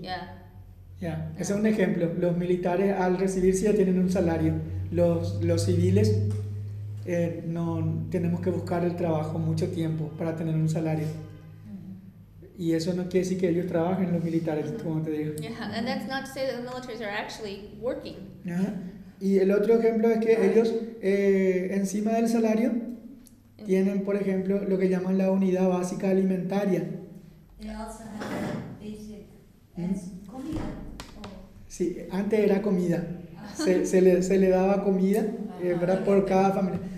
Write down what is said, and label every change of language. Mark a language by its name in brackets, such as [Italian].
[English] Yeah. [Spanish] Ese es un ejemplo. Los militares al recibir sí ya tienen un salario. Los civiles no tenemos que buscar el trabajo mucho tiempo para tener un salario. Y eso no quiere decir que ellos trabajen los militares, como te digo. [English] Yeah, and that's not to say that the militaries are actually working. [Spanish] Y el otro ejemplo es que ellos encima del salario tienen, por ejemplo, lo que llaman la unidad básica alimentaria. Sí, antes era comida. Se le daba comida por cada familia.